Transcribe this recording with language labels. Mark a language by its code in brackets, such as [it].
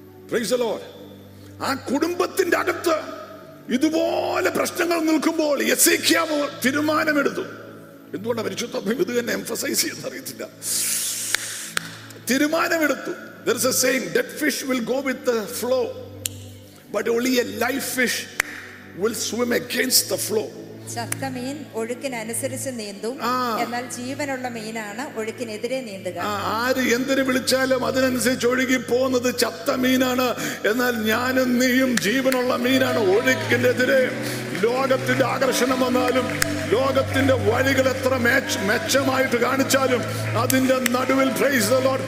[en] Praise the Lord. [ml] ആ കുടുംബത്തിന്റെ അകത്ത് ഇതുപോലെ പ്രശ്നങ്ങൾ നിൽക്കുമ്പോൾ യെസേക്കിയാവ് തീരുമാനമെടുത്തു. എന്തുകൊണ്ടാണ് പരിശുദ്ധ ഇത് തന്നെ എംഫസൈസ് ചെയ്യുന്ന അറിയത്തില്ല. തീരുമാനമെടുത്തു. [en] There is a saying, dead fish will go with the flow, but only a live fish will swim against the flow. [ml] ശക്തമീൻ ഒഴുക്കിനനുസരിച്ച് നീന്തും, എന്നാൽ ജീവനുള്ള മീനാണ് ഒഴുക്കിനെതിരെ നീന്തുക. ആര് എന്തിനു വിളിച്ചാലും അതിനനുസരിച്ച് ഒഴുകി പോകുന്നത് ചത്ത മീനാണ്, എന്നാൽ ഞാനും നീയും ജീവനുള്ള മീനാണ് ഒഴുക്കിനെതിരെ. ലോകത്തിന്റെ ആകർഷണം വന്നാലും ലോകത്തിന്റെ വഴികൾ എത്ര മെച്ചമായിട്ട് കാണിച്ചാലും അതിന്റെ നടുവിൽ [en] Praise the Lord.